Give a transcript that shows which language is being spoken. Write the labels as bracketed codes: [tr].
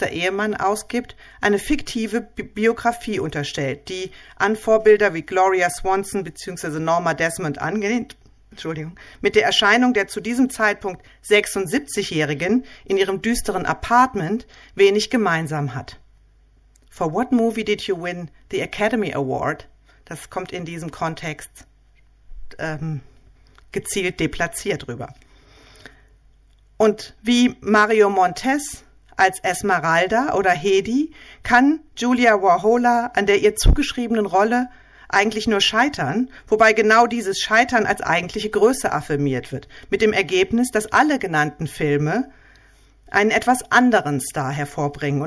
[de] Ehemann ausgibt, eine fiktive Biografie unterstellt, die an Vorbilder wie Gloria Swanson bzw. Norma Desmond angelehnt, mit der Erscheinung der zu diesem Zeitpunkt 76-Jährigen in ihrem düsteren Apartment wenig gemeinsam hat. [en] For what movie did you win the Academy Award? [de] Das kommt in diesem Kontext gezielt deplatziert rüber. Und wie Mario Montez als Esmeralda oder Hedy kann Julia Warhol an der ihr zugeschriebenen Rolle eigentlich nur scheitern, wobei genau dieses Scheitern als eigentliche Größe affirmiert wird, mit dem Ergebnis, dass alle genannten Filme einen etwas anderen Star hervorbringen.